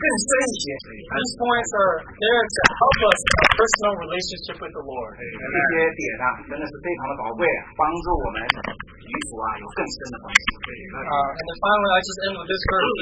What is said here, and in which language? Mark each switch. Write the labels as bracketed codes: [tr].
[en] These points are there to help us in our personal relationship with the Lord. [zh] 这些点啊，真的是非常的宝贵，帮助我们。 [en] And then finally, I just end with this verse.